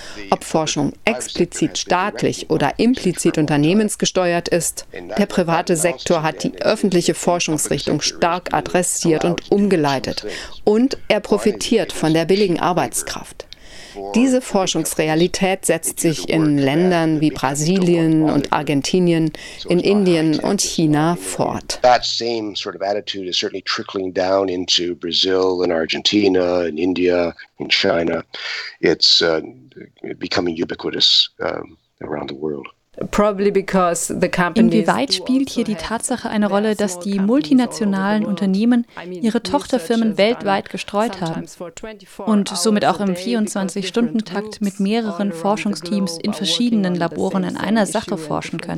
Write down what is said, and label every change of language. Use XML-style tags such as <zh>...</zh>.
<de>Ob Forschung explizit staatlich oder implizit unternehmensgesteuert ist, der private Sektor hat die öffentliche Forschungsrichtung stark adressiert und umgeleitet. Und er profitiert von der billigen Arbeitskraft. Diese Forschungsrealität setzt sich in Ländern wie Brasilien und Argentinien, in Indien und China fort.</de> <en>That same sort of attitude is certainly trickling down into Brazil and Argentina and India and China. It's becoming ubiquitous around the world.</en> <de>Inwieweit spielt hier die Tatsache eine Rolle, dass die multinationalen Unternehmen ihre Tochterfirmen weltweit gestreut haben und somit auch im 24-Stunden-Takt mit mehreren Forschungsteams in verschiedenen Laboren an einer Sache forschen können?</de>